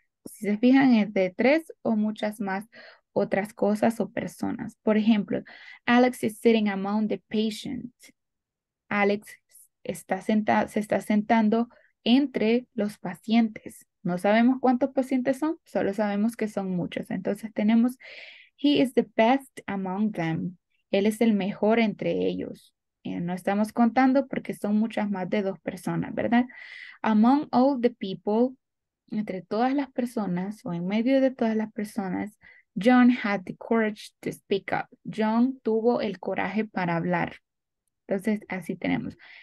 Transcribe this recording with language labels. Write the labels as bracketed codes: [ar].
[es] Si se fijan, es de tres o muchas más otras cosas o personas. Por ejemplo, [en] Alex is sitting among the patients. [es] Alex se está sentando entre los pacientes. No sabemos cuántos pacientes son, solo sabemos que son muchos. Entonces tenemos, [en] he is the best among them. [es] Él es el mejor entre ellos. No estamos contando porque son muchas más de dos personas, ¿verdad? [en] Among all the people, [es] entre todas las personas [en] o en medio de todas las personas, John had the courage to speak up. [es] John tuvo el coraje para hablar. Entonces, así tenemos.